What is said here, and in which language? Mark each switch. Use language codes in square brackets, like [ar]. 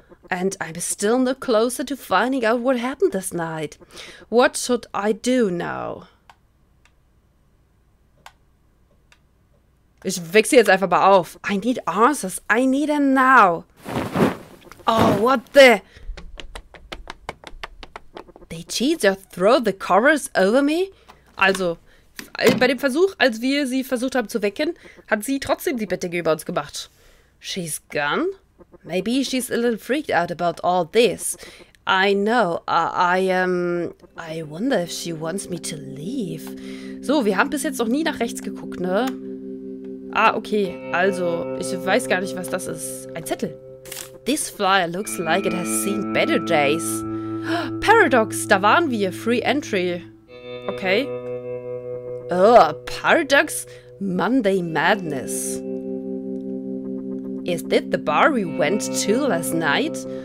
[en] And I'm still no closer to finding out what happened this night. What should I do now? [de] Ich wechsle jetzt einfach mal auf. [en] I need answers. I need them now. Oh, what the? They cheat to throw the covers over me? [de] Also, bei dem Versuch, als wir sie versucht haben zu wecken, hat sie trotzdem die Bettdecke über uns gemacht. [en] She's gone? Maybe she's a little freaked out about all this. I know, I wonder if she wants me to leave. [de] So, wir haben bis jetzt noch nie nach rechts geguckt, ne? Ah, okay, also, ich weiß gar nicht, was das ist. Ein Zettel. [en] This flyer looks like it has seen better days. [de] Paradox, da waren wir. [en] Free entry. Okay. Oh, Paradox Monday Madness. Is that the bar we went to last night?